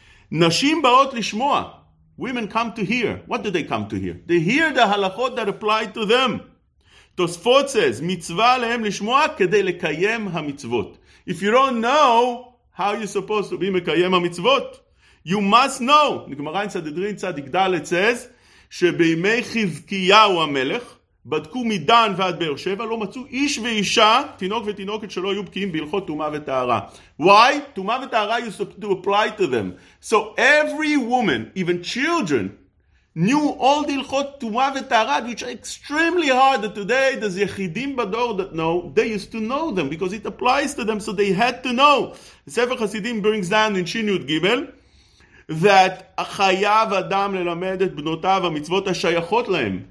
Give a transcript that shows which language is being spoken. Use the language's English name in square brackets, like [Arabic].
[Hebrew] Nashim Baot Lishmoa. [English] Women come to hear. What do they come to hear? They hear the halachot that apply to them. Tosfot says, [Hebrew] mitzvah lehem lishmoa kedei lekayem ha-mitzvot. [English] If you don't know how you're supposed to be mekayem ha-mitzvot, you must know. Gemara in Sanhedrin, Tzadik Dalet says, [Hebrew] שבימי חזקיהו המלך, בדקו מדן ועד באר שבע, לא מצאו איש ואישה, תינוק ותינוקת שלא היו בקיאים בהלכות טומאה וטהרה. [English] Why? טומאה וטהרה you're supposed to apply to them. So every woman, even children, knew all the ilchot tumah v'taharah, which are extremely hard. That today, there's yechidim bador that know. They used to know them because it applies to them, so they had to know. Sefer Chasidim brings down in Shin Yud Gimel that [Hebrew] achayav adam lelamed et bnotav mitzvot ashayachot lahem.